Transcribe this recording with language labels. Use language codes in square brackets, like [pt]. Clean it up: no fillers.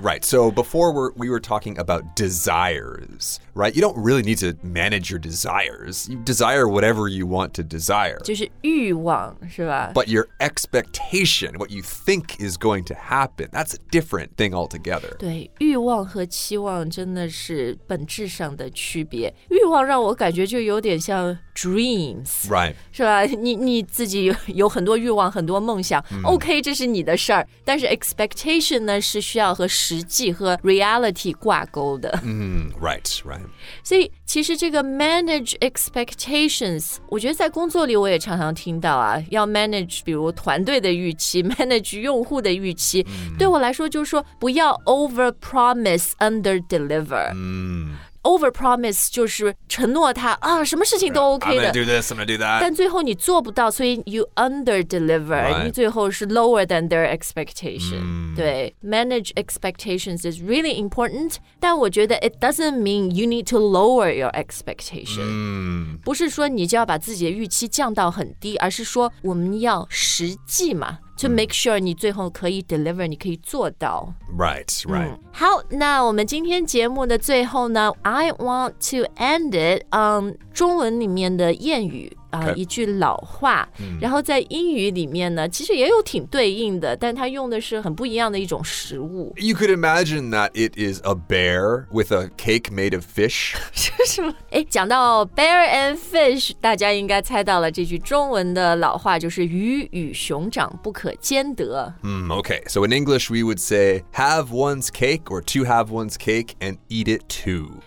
[en] right. So before we were talking about desires, right? You don't really need to manage your desires. You desire whatever you want to desire. [zh] 就是欲望是吧 [en] But your expectation, what you think is going to happen, that's a different thing altogether. [zh] 对欲望和期望真的是本质上的区别。欲望让我感觉就有点像 dreams. [en] Right. [zh] 是吧你自己有很多欲望很多梦想。 OK, 这是你的事儿。但是 expectation 呢是需要和实际和 reality 挂钩的。 [en] Right, right. [zh] 所以其实这个 manage expectations, 我觉得在工作里我也常常听到啊要 manage 比如团队的预期 manage 用户的预期、 mm. 对我来说就是说不要 [en] over promise under deliver.、 Mm. [zh] Overpromise 就是承诺他啊，什么事情都 OK 的。 [en] I'm gonna do this, I'm gonna do that. [zh] 但最后你做不到，所以 [en] you underdeliver. Right. [zh] 你最后是 [en] lower than their expectation.、 Mm. [zh] 对 [en] ，manage expectations is really important. [zh] 但我觉得 [en] it doesn't mean you need to lower your expectation.、 Mm. [zh] 不是说你就要把自己的预期降到很低，而是说我们要实际嘛。 [en] To make sure you [zh] 最后可以 [en] deliver, [zh] 你可以做到 [en] Right, right. [zh] 好，那我们今天节目的最后呢 [en] I want to end it on [zh] 中文里面的谚语、一句老话、嗯、然后在英语里面呢其实也有挺对应的但它用的是很不一样的一种食物 [en] You could imagine that it is a bear with a cake made of fish [zh] 是什么诶讲到 [en] bear and fish [zh] 大家应该猜到了这句中文的老话就是鱼与熊掌不可兼得、 [en] 嗯、Okay, so in English we would say have one's cake or to have one's cake and eat it too